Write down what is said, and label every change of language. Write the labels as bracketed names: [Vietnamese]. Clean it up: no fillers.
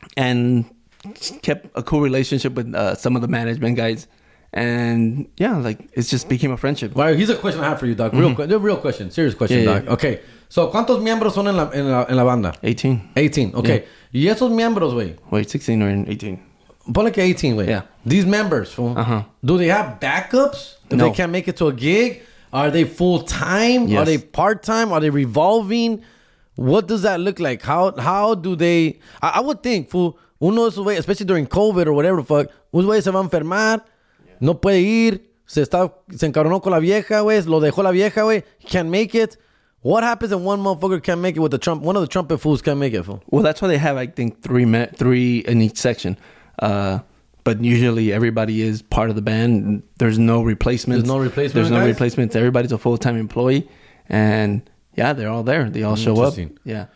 [English] and kept a cool relationship with some of the management guys. And yeah, like, it just became a friendship. Well, here's a question I have for you, Doc. Real question, serious question, yeah, Doc. Yeah. Okay, so [Spanish] ¿cuántos miembros son en la banda? [English] 18. 18, okay. Yeah. [Spanish] ¿Y esos miembros, güey? [English] Wait, 16 or 18. [Spanish] Ponle que 18, güey. [English] Yeah. These members, fool, do they have backups? No. They can't make it to a gig? Are they full-time? Yes. Are they part-time? Are they revolving? What does that look like? How do they... I would think, fool, [Spanish] uno de esos güey, [English] especially during COVID or whatever the fuck, [Spanish] unos güeyes se van a enfermar. No puede ir, se encabronó con la vieja, güey, lo dejó la vieja, güey, [English] can't make it. What happens if one motherfucker can't make it with the Trump, one of the trumpet fools can't make it, fool? Well, that's why they have, I think, three in each section. But usually everybody is part of the band. There's no replacements. There's no replacements. Everybody's a full-time employee. And yeah, they're all there. They all show up. Yeah.